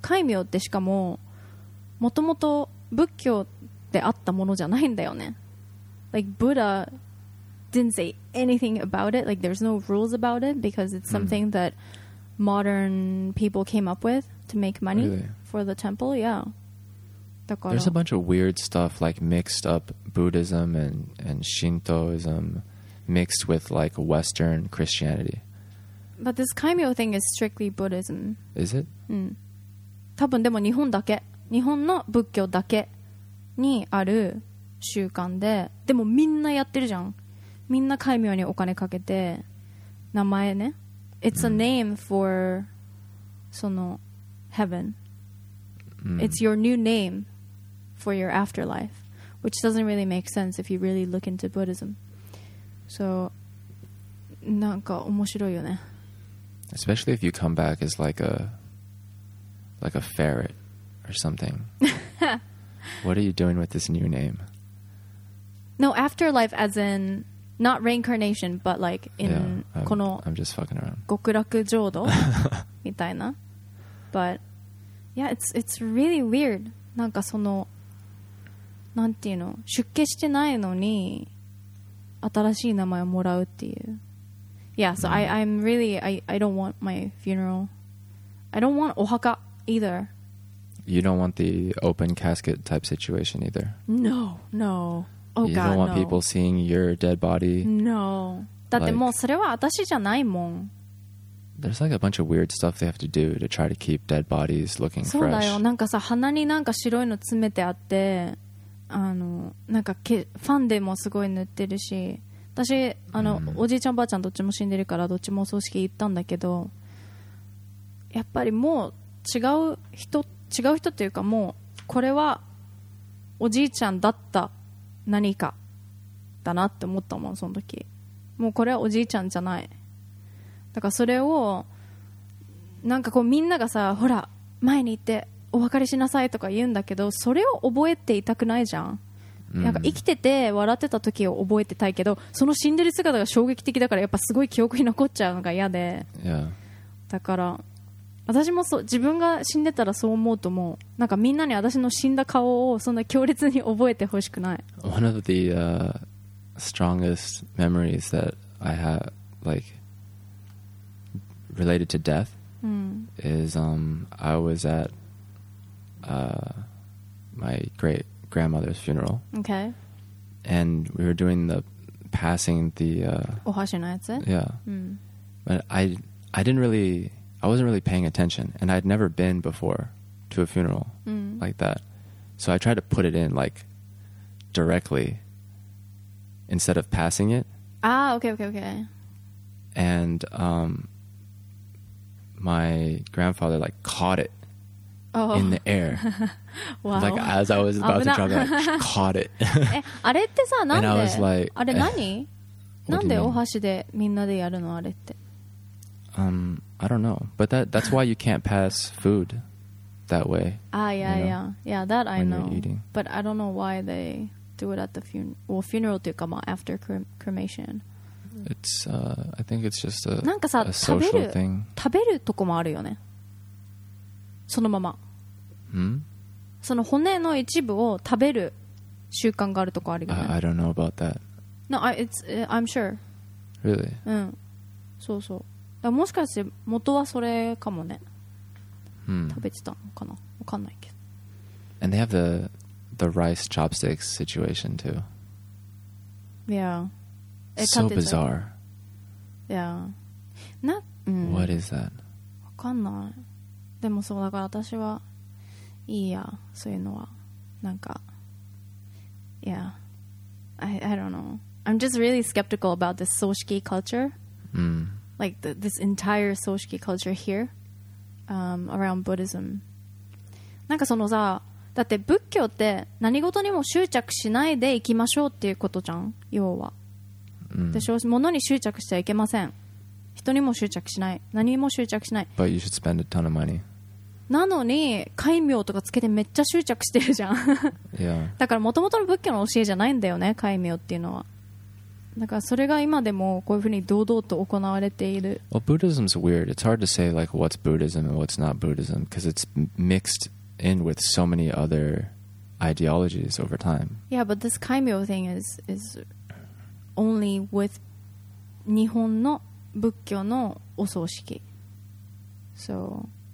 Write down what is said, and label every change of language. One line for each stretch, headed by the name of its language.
Japanese: 戒名ってしかももともと仏教であったものじゃないんだよね。
English: Like Buddha. Didn't say anything about it. Like, there's no rules about it because it's something that modern people came up with to make money for the temple. Yeah. There's a bunch of weird stuff like mixed up Buddhism and Shintoism mixed with like Western Christianity. But this kaimyo thing is strictly Buddhism. Is it?
Japanese: 多分でも日本だけ、日本の仏教だけにある習慣で、でもみんなやってるじゃん。みんな戒名にお金かけて名前ね
English: It's a name for
Japanese: その
English: heaven It's your new name for your afterlife which doesn't really make sense if you really look into Buddhism so
Japanese: なんか面白いよね
English: especially if you come back as like a ferret or something what are you doing with this new name no afterlife as inNot reincarnation, but like in
Japanese: この
English: I'm just fucking around.
Japanese: 極楽浄土みたいな
English: But yeah, it's really weird.
Japanese: なんかそのなんていうの出家してないのに新しい名前をもらうっていう
English: Yeah, so I don't want my funeral. I don't want お墓 either. You don't want the open casket type situation either. No. Oh, you don't God, want no. people seeing your dead body? No.
Japanese: だってもうそれは私じゃないもん。
English: There's like a bunch of weird stuff they have to do to try to keep dead bodies looking
Japanese: fresh. そうだよ。なんかさ、鼻になんか白いの詰めてあって、なんかファンデもすごい塗ってるし、私、おじいちゃんばあちゃんどっちも死んでるから、どっちも葬式行ったんだけど、やっぱりもう違う人っていうかもう、これはおじいちゃんだった。何かだなって思ったもんその時もうこれはおじいちゃんじゃない。だからそれをなんかこうみんながさ、ほら前に行ってお別れしなさいとか言うんだけど、それを覚えていたくないじゃん。なんか生きてて笑ってた時を覚えてたいけど、その死んでる姿が衝撃的だから、やっぱすごい記憶に残っちゃうのが嫌で、だから私もそう、自分が死んでたらそう思うと思う。なんかみんなに私の死んだ顔をそんな強烈に覚えてほしくない。
English: One of the、strongest memories that I have like related to death、is、I was at、my great grandmother's funeral. Okay. And we were doing the passing the、
Japanese: ohashi のやつ?
English: Yeah.、But I wasn't really paying attention, and I'd never been before to a funeral、like that. So I tried to put it in like directly instead of passing it. Ah, okay. And、my grandfather like caught it、in the air. Wow. Like as I was about to drop it, caught it.
Japanese: え、あれってさ、なんで?
English: And I was like,
Japanese: あれ何? なんでお箸でみんなでやるの、あれって?
English: I don't know, but that's why you can't pass food that way. Ah, yeah, you know? Yeah. Yeah, that I know. When you're eating. But I don't know why they do it at the funeral to come out after cremation. It's, I think it's just a social thing.
Japanese: 食べるとこもあるよね。そのまま。その骨の一部を食べる習慣があるとこあるよね。
English: I don't know about that. No, I'm sure. Really?
Japanese: うん。そうそう。だもしかして元はそれかもね、食べてたのかな、わかんないけど。
English: And they have the rice chopsticks situation too. Yeah. It's so bizarre. Yeah. な、 What is that?
Japanese: わかんない。でもそうだから私はいいや、そういうのはなんか、
English: Yeah. I don't know. I'm just really skeptical about this 葬式 culture. Like this entire 葬式 culture here、around Buddhism.
Japanese: なんかそのさ、だって仏教って何事にも執着しないで行きましょうっていうことじゃん、要は、でしょ、物に執着しちゃいけません、人にも執着しない、何も執着しない。
English: But you should spend a ton of money.
Japanese: なのに戒名とかつけてめっちゃ執着してるじゃん。
English: Yeah.
Japanese: だから元々の仏教の教えじゃないんだよね、戒名っていうのは。だからそれが今でもこういうふうに堂々と行われている。
English: Well, Buddhism's weird. It's hard to say like what's Buddhism and what's not Buddhism because it's mixed in with so many other ideologies over time. Yeah, but this kaimyo thing is only with
Japanese: 日本の仏教のお葬式。
English: So